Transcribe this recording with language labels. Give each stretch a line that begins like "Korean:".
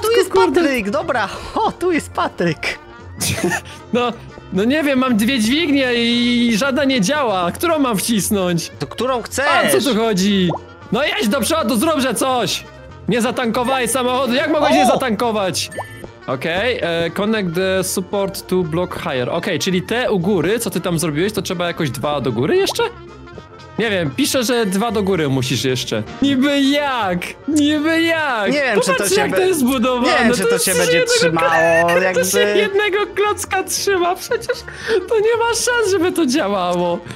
Polish: Tu jest Patryk, dobra. O, tu jest Patryk. No nie wiem, mam dwie dźwignie i żadna nie działa. Którą mam wcisnąć? To którą chcesz? A co tu chodzi? No jedź do przodu, zróbże coś! Nie zatankowaj samochodu, jak mogłeś nie zatankować?
English: Okej, okay, connect the support to block higher.
Polish: Okej, okay, czyli te u góry, co ty tam zrobiłeś, to trzeba jakoś dwa do góry jeszcze? Nie wiem, pisze, że dwa do góry musisz jeszcze. Niby jak? Nie wiem, popatrz, czy to się jak to jest zbudowane. Nie wiem, czy to się będzie trzymało, jakby... To się jednego klocka trzyma, przecież to nie ma szans, żeby to działało.